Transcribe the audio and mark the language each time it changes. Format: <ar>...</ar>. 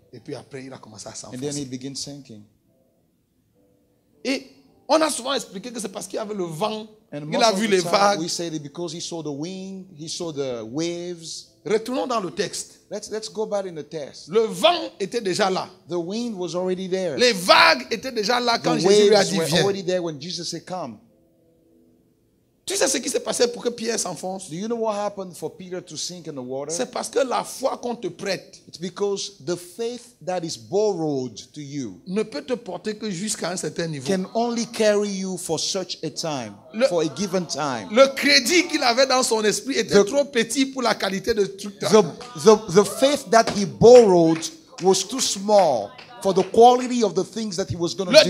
<fr>Et puis après, il a commencé à s'enfoncer.</fr> <en>And then he began sinking.</en> <fr>Et On a souvent expliqué que c'est parce qu'il avait le vent.</fr> <en>And</en> <fr>il a vu les vagues.</fr> <en>We say that because he saw the wind, he saw the waves.</en> <fr>Retournons dans le texte.</fr> <en>Let's go back in the text.</en> <fr>Le vent était déjà là.</fr> <en>The wind was already there.</en> <fr>Les vagues étaient déjà là quand</fr> <en>the</en> <fr>Jésus lui a dit viens.</fr> <en>The waves were already there when Jesus said come.</en> <fr>Tu sais ce qui s'est passé pour que Pierre s'enfonce?</fr> <en>Do you know what happened for Peter to sink in the water?</en> <fr>C'est parce que la foi qu'on te prête.</fr> <en>It's because the faith that is borrowed to you</en> <fr>ne peut te porter que jusqu'à un certain niveau.</fr> <en>Can only carry you for such a time, for a given time.</en> <fr>Le crédit qu'il avait dans son esprit était trop petit pour la qualité de truc.</fr> <en>The faith that he borrowed was too small for the quality of the things that he was going to do.</en>